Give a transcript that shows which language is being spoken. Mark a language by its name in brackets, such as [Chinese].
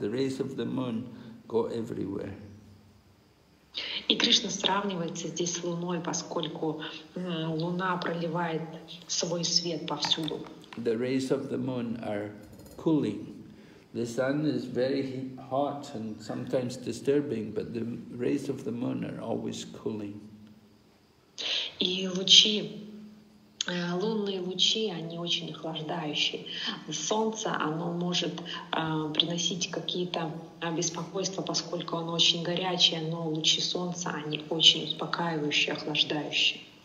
[English] The rays of the moon go everywhere. [Russian] И Кришна сравнивается здесь с Луной, поскольку Луна проливает свой свет повсюду. [English] The rays of the moon are cooling. The sun is very hot and sometimes disturbing, but the rays of the moon are always cooling. [Russian] И лучи, лунные лучи, они очень охлаждающие. Солнце, оно может приносить какие-то беспокойства, поскольку оно очень горячее, но лучи солнца, они очень успокаивающие, охлаждающие.